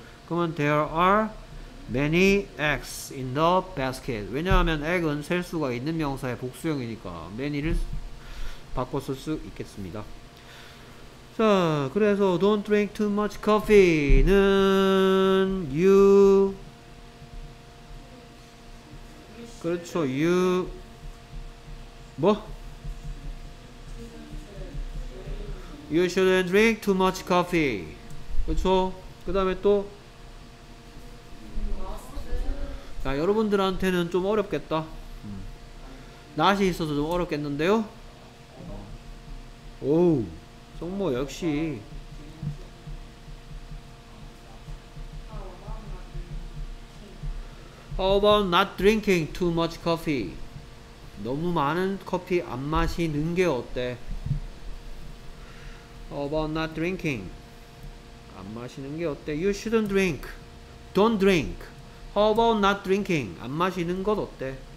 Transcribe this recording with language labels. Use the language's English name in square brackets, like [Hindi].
[English] 그러면 there are many eggs in the basket. [Korean] 왜냐하면 egg은 셀 수가 있는 명사의 복수형이니까 many를 바꿔 쓸 수 있겠습니다. 자, 그래서 [English] don't drink too much coffee는 you 그렇죠. you 뭐? you shouldn't drink too much coffee. [Korean] 그렇죠? 그다음에 또 자, 여러분들한테는 좀 어렵겠다. 낯이 있어서 좀 어렵겠는데요. 오. [English] 성모 역시 How about not drinking too much coffee? [Korean] 너무 많은 커피 안 마시는 게 어때? [English] How about not drinking? [Korean] 안 마시는 게 어때? [English] You shouldn't drink. Don't drink. How about not drinking? [Korean] 안 마시는 것 어때?